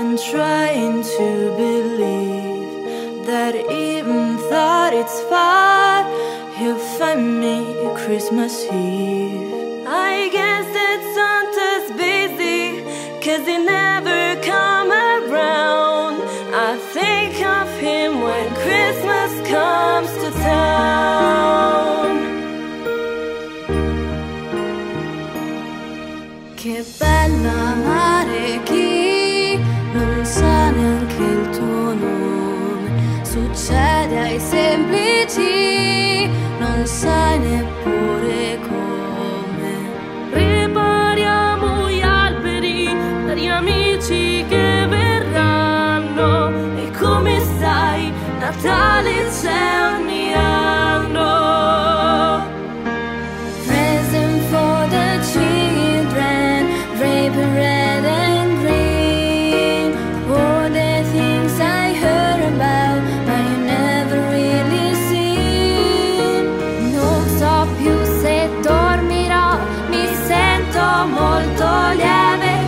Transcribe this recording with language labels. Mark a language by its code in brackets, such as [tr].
[en] trying to believe that even though it's far, he'll find me Christmas Eve. I guess that Santa's busy, 'cause he never come around. I think of him when Christmas comes to town. [it] Che bella mare chi non sa neanche il tuo nome. Succede ai semplici, non sai neppure come. Prepariamo gli alberi per gli amici che verranno. E come sai, Natale c'è ogni anno. [en] Present for the children, drape in red and green. All the things I heard about, but you never really seen. [it] Non so più se dormirò, mi sento molto lieve.